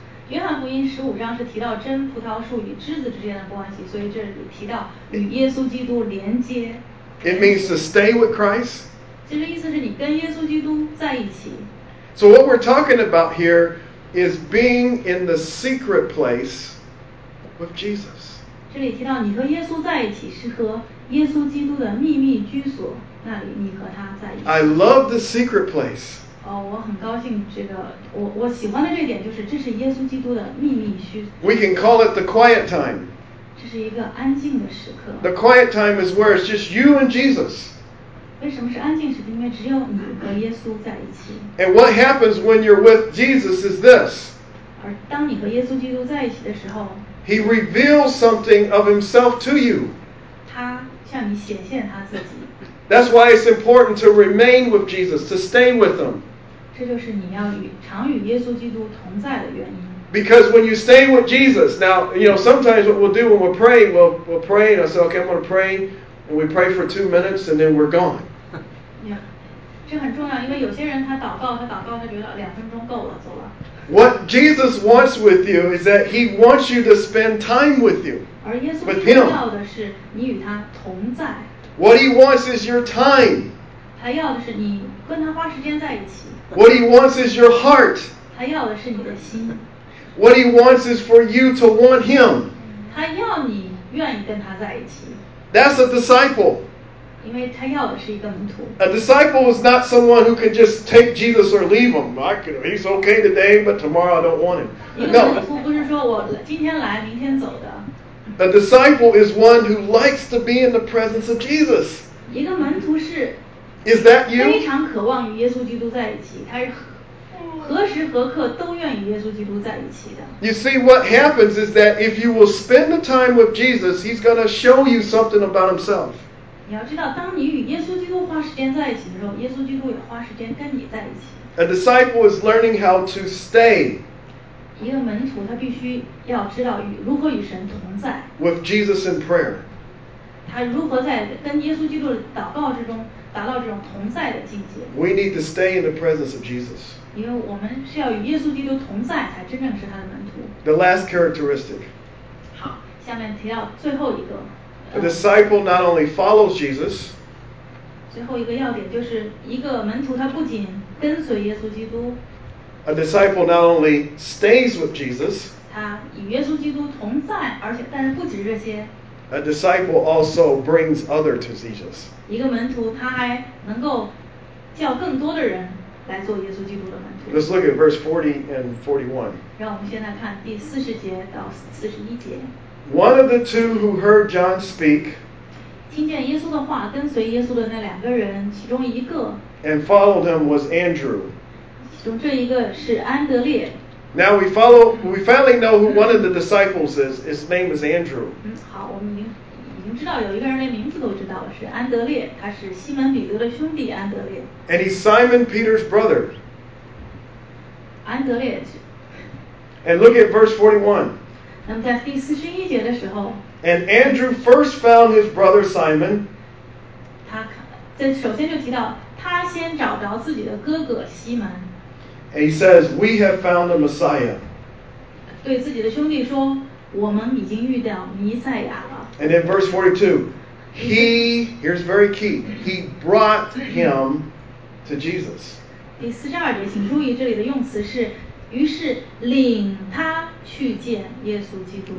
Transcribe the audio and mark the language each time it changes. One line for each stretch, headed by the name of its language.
Chinese: 约翰福音十五章是提到真葡萄树与枝子之间的关系，所以这里提到与耶稣基督连接。
English: It means to stay with Christ.
Chinese: 其实意思是你跟耶稣基督在一起。
English: So what we're talking about here is being in the secret place with Jesus.
Chinese: 这里提到你和耶稣在一起，是和耶稣基督的秘密居所，那里你和他在一起。
English: I love the secret place.
Chinese: 我很高兴这个我喜欢的这点就是这是耶稣基督的秘密居所。
English: We can call it the quiet time.
Chinese: 这是一个安静的时刻。
English: The quiet time is where it's just you and Jesus.
Chinese: 为什么是安静时刻？因为只有你和耶稣在一起。
English: And what happens when you're with Jesus is this.
Chinese: 而当你和耶稣基督在一起的时候，
English: He reveals something of himself to you.
Chinese: 他向你显现他自己。
English: That's why it's important to remain with Jesus, to stay with him.
Chinese: 这就是你要与常与耶稣基督同在的原因。
English: Because when you stay with Jesus, now, you know, sometimes what we'll do when we're praying, we'll pray and I'll say, okay, I'm going to pray, and we pray for 2 minutes and then we're gone.
Chinese: Yeah, 这很重要，因为有些人他祷告，他觉得两分钟够了，走了。
English: What Jesus wants with you is that he wants you to spend time with you.
Chinese: 而耶稣基督要的是你与他同在。
English: What he wants is your time.
Chinese: 他要的是你跟他花时间在一起。
English: What he wants is your heart.
Chinese: 他要的是你的心。
English: What he wants is for you to want him.
Chinese: 他要你愿意跟他在一起。
English: That's a disciple.
Chinese: 因为他要的是一个门徒。
English: A disciple is not someone who can just take Jesus or leave him. He's okay today, but tomorrow I don't want him.
Chinese: 一个门徒不是说我今天来，明天走的。
English: A disciple is one who likes to be in the presence of Jesus.
Chinese: 一个门徒是
English: Is that you?
Chinese: 非常渴望与耶稣基督在一起，他是何时何刻都愿与耶稣基督在一起的。
English: You see, what happens is that if you will spend the time with Jesus, he's going to show you something about himself.
Chinese: 你要知道，当你与耶稣基督花时间在一起的时候，耶稣基督也花时间跟你在一起。
English: A disciple is learning how to stay.
Chinese: 一个门徒他必须要知道如何与神同在。
English: With Jesus in prayer.
Chinese: 他如何在跟耶稣基督的祷告之中达到这种同在的境界。
English: We need to stay in the presence of Jesus.
Chinese: 因为我们是要与耶稣基督同在才真正是他的门徒。
English: The last characteristic.
Chinese: 好，下面提到最后一个。
English: The disciple not only follows Jesus.
Chinese: 最后一个要点就是一个门徒他不仅跟随耶稣基督。
English: A disciple not only stays with Jesus.
Chinese: 他与耶稣基督同在，而且但是不止这些。
English: A disciple also brings others to Jesus.
Chinese: 一个门徒他还能够叫更多的人来做耶稣基督的门徒。
English: Let's look at verse 40 and 41.
Chinese: 让我们现在看第四十节到四十一节。
English: One of the two who heard John speak.
Chinese: 听见耶稣的话，跟随耶稣的那两个人，其中一个。
English: And followed him was Andrew.
Chinese: 其中这一个是安德烈。
English: Now we follow. We finally know who one of the disciples is. His name is Andrew.
Chinese: 好，我们已经知道有一个人连名字都知道了，是安德烈，他是西门彼得的兄弟安德烈。
English: And he's Simon Peter's brother.
Chinese: 安德烈。
English: And look at verse 41.
Chinese: 那么在第四十一节的时候。
English: And Andrew first found his brother Simon.
Chinese: 他这首先就提到他先找着自己的哥哥西门。
English: And he says, "We have found the Messiah."
Chinese: 对自己的兄弟说，我们已经遇到弥赛亚了。
English: And in verse 42, he here's very key. He brought him to Jesus.
Chinese: 第四十二节，请注意这里的用词是，于是领他去见耶稣基督。